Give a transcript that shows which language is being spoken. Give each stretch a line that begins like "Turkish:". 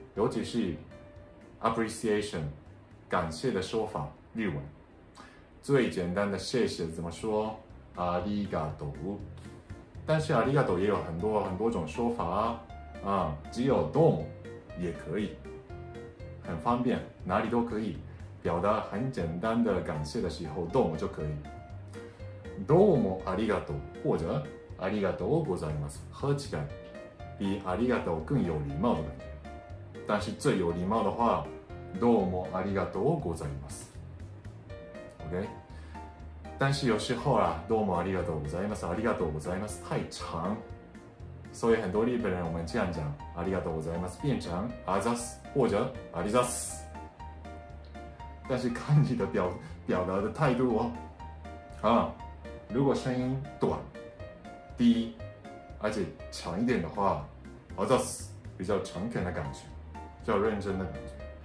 Chinese: 尤其是 appreciation 感谢的说法，日文最简单的谢谢怎么说？
Japanese: ありがとう。
Chinese: 但是ありがとう也有很多很多种说法啊，只有
Japanese: どうも
Chinese: 也可以，很方便，哪里都可以表达很简单的感谢的时候，どうも就可以。
Japanese: どうもありがとう
Chinese: 或者
Japanese: ありがとうございます，
Chinese: 合起来比ありがとう更有礼貌的感觉。但是最有礼貌的话，
Japanese: どうもありがとうございます。
Chinese: OK， 但是有时候啊，
Japanese: どうもありがとうございます，ありがとうございます
Chinese: 太长，所以很多日本人我们这样讲，ありがとうございます变成
Japanese: あざす
Chinese: 或者
Japanese: ありざす。
Chinese: 但是看你的表达的态度哦，啊，如果声音短、低，而且长一点的话，
Japanese: あざす
Chinese: 比较诚恳的感觉，比较认真的感觉。